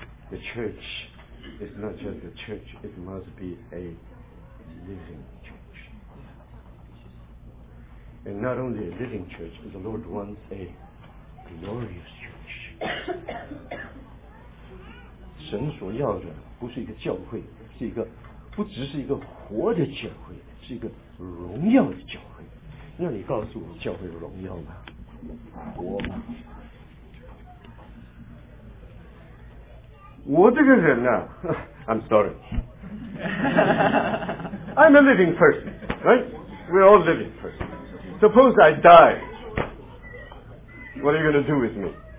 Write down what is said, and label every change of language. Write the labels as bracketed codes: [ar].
[en] The church is not just a church. It must be a living church. And not only a living church, but the Lord wants a glorious church. [zh] 神所要的不是一个教会，是一个不只是一个活的教会，是一个荣耀的教会。那你告诉我，教会荣耀吗？活吗？我这个人啊 [en] I'm sorry I'm a living person, right? We're all living person. Suppose I die, what are you going to do with me?